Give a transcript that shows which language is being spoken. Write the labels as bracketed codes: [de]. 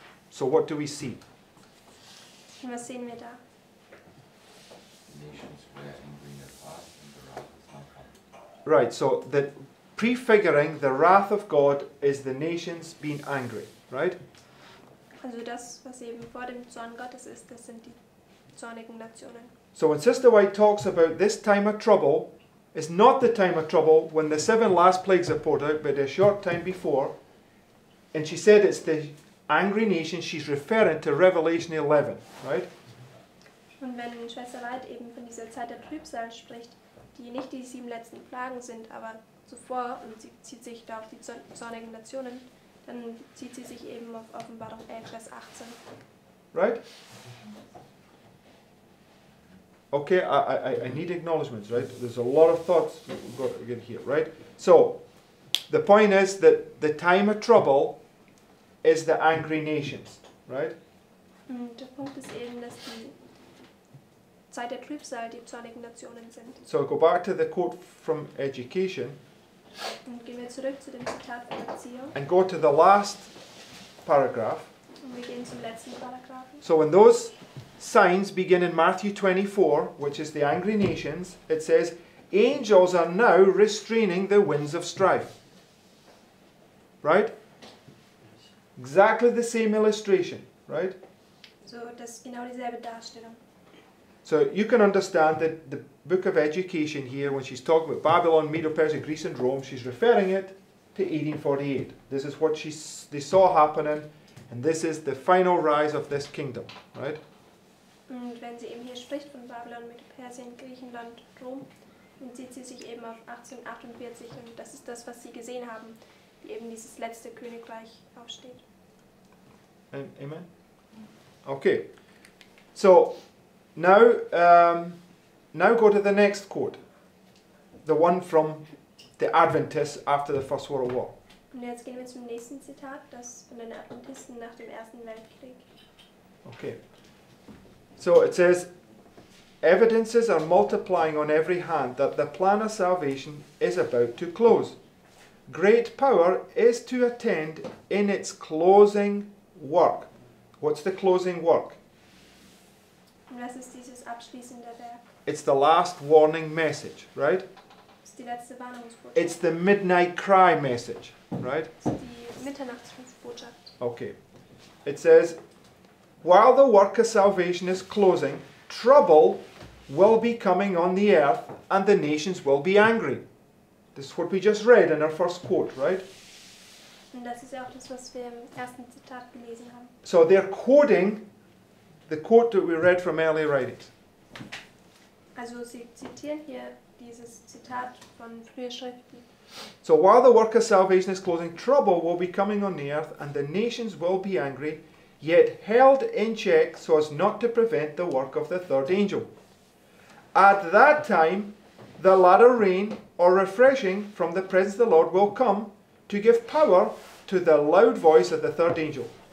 [en] So what do we see? [de] Was sehen wir da? [en] Right, so the prefiguring the wrath of God is the nations being angry, right? [de] Also das, was eben vor dem Zorn Gottes ist, das sind die zornigen Nationen. [en] So when Sister White talks about this time of trouble, it's not the time of trouble when the 7 last plagues are poured out, but a short time before. And she said it's the angry nations, she's referring to Revelation 11, right? [de] Und wenn Schwester White eben von dieser Zeit der Trübsal spricht, die nicht die 7 letzten Plagen sind, aber zuvor, und sie bezieht sich da auf die zornigen Nationen, dann bezieht sie sich eben auf Offenbarung 11, Vers 18. [en] Right? Okay, I need acknowledgements, right? There's a lot of thoughts we've got to get here, right? So, the point is that the time of trouble is the angry nations, right? [de] Der Punkt ist eben, dass die Zeit der Trübsal die zornigen Nationen sind. [en] So, go back to the quote from education. [de] Und gehen wir zurück zu dem Zitat von Erziehung. [en] And go to the last paragraph. [de] Und wir gehen zum letzten Paragraph. [en] So, when those signs begin in Matthew 24, which is the angry nations, it says, angels are now restraining the winds of strife. Right? Exactly the same illustration, right? [de] So, das genau dieselbe Darstellung. [en] So you can understand that the book of education here, when she's talking about Babylon, Medo-Persia, Greece and Rome, she's referring it to 1848. This is what they saw happening, and this is the final rise of this kingdom, right? [de] Und wenn sie eben hier spricht von Babylon, Medo-Persien, Griechenland, Rom, bezieht sie sich eben auf 1848 und das ist das, was sie gesehen haben, wie eben dieses letzte Königreich aufsteht. [en] Amen? Okay. So, now, now go to the next quote. The one from the Adventists after the First World War. [de] Und jetzt gehen wir zum nächsten Zitat, das von den Adventisten nach dem Ersten Weltkrieg. [en] Okay. So it says, evidences are multiplying on every hand that the plan of salvation is about to close. Great power is to attend in its closing work. What's the closing work? [de] Was ist dieses abschließende Werk? [en] It's the last warning message, right? [de] Ist die letzte Warnungsbotschaft. [en] It's the midnight cry message, right? [de] Ist die Mitternachtsbotschaft. [en] Okay. It says, while the work of salvation is closing, trouble will be coming on the earth and the nations will be angry. This is what we just read in our first quote, right? [de] Und das ist ja auch das, was wir im ersten Zitat gelesen haben. [en] So they're quoting the quote that we read from earlier writings. [de] Also sie zitieren hier dieses Zitat von früher Schriften. [en] So while the work of salvation is closing, trouble will be coming on the earth and the nations will be angry, yet held in check so as not to prevent the work of the third angel. At that time, the latter rain or refreshing from the presence of the Lord will come to give power to the loud voice of the third angel.